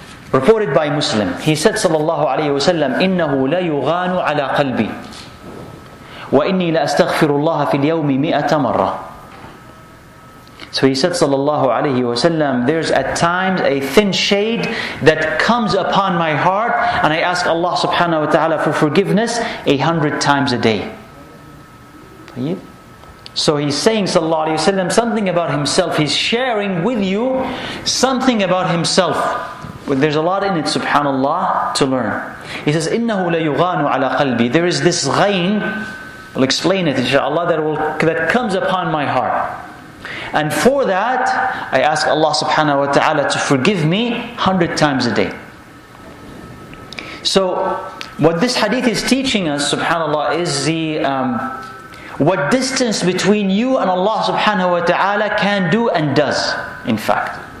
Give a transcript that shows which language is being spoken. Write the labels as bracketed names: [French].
[English] Reported by Muslim. He said sallallahu alayhi wa sallam, [Arabic] إِنَّهُ لَيُغَانُ عَلَىٰ قَلْبِي وَإِنِّي لَأَسْتَغْفِرُ اللَّهَ فِي الْيَوْمِ مِئَةَ مَرَّةِ. [English] So he said sallallahu alayhi wa sallam, there's at times a thin shade that comes upon my heart and I ask Allah subhanahu wa ta'ala for forgiveness 100 times a day. So he's saying sallallahu alayhi wa sallam something about himself. He's sharing with you something about himself. There's a lot in it, subhanallah, to learn. He says, [Arabic] إِنَّهُ لَيُغَانُ عَلَىٰ قَلْبِي. [English] There is this ghain, I'll explain it inshaAllah, that comes upon my heart. And for that, I ask Allah subhanahu wa ta'ala to forgive me 100 times a day. So what this hadith is teaching us, subhanallah, is the what distance between you and Allah subhanahu wa ta'ala can do and does, in fact.